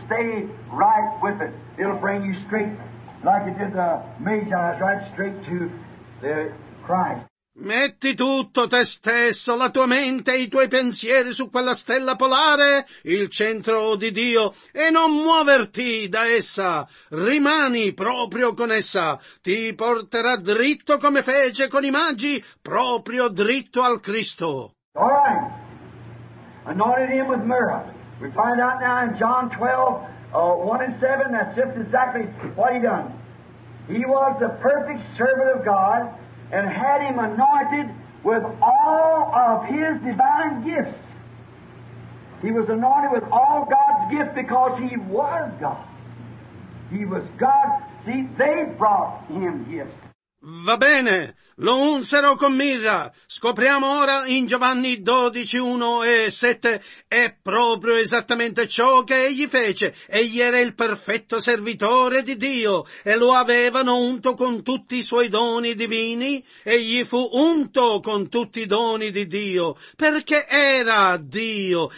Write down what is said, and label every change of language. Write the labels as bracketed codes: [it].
[en] Stay right with it. It'll bring you straight, like it did the Magi, right straight to the Christ. [it] Metti tutto te stesso, la tua mente e i tuoi pensieri su quella stella polare, il centro di Dio, e non muoverti da essa. Rimani proprio con essa. Ti porterà dritto come fece con i magi, proprio dritto al Cristo. [en] All right. Anointed him with myrrh. We find out now in John 12, 1 and 7, that's just exactly what he done. He was the perfect servant of God. And had him anointed with all of his divine gifts. He was anointed with all God's gifts because he was God. He was God. See, they brought him gifts. [it] Va bene, lo unsero con mirra. Scopriamo ora in Giovanni 12, 1 e 7, è proprio esattamente ciò che egli fece. Egli era il perfetto servitore di Dio e lo avevano unto con tutti i suoi doni divini. Egli fu unto con tutti i doni di Dio perché era Dio.